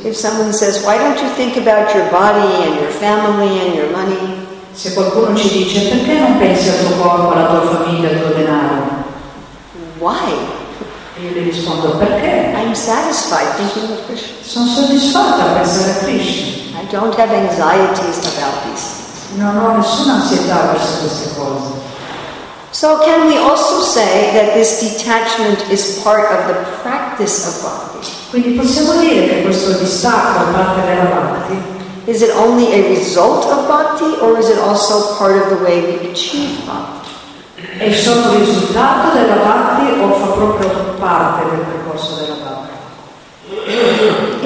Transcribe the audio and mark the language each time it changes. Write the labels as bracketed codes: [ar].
[en] If someone says, why don't you think about your body and your family and your money? [it] Se qualcuno ci dice, perché non pensi al tuo corpo, alla tua famiglia, al tuo denaro? [en] Why? [it] Io gli rispondo, perché? [en] I'm satisfied thinking of Krishna. [it] Sono soddisfatta a pensare a Krishna. [en] I don't have anxieties about these things. [it] Non ho nessuna ansietà verso queste cose. [en] So can we also say that this detachment is part of the practice of bhakti? [it] Quindi possiamo dire che questo distacco da parte della bhakti? [en] Is it only a result of bhakti, or is it also part of the way we achieve bhakti? [it] È solo il risultato della bhakti o fa proprio parte del percorso della bhakti?